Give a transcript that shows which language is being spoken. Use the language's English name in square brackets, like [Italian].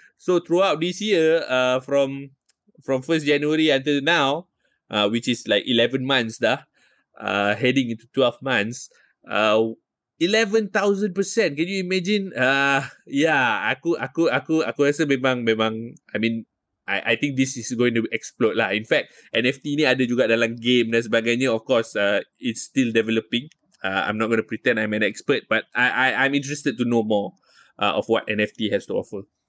[English] So throughout this year, from 1st January until now, which is like 11 months dah, heading into 12 months, 11,000%. Can you imagine? [Malay] Aku rasa memang. [English] I mean, I think this is going to explode lah. In fact, [Malay] NFT ni ada juga dalam game dan sebagainya. [English] Of course, it's still developing. I'm not going to pretend I'm an expert, but I'm interested to know more of what NFT has to offer.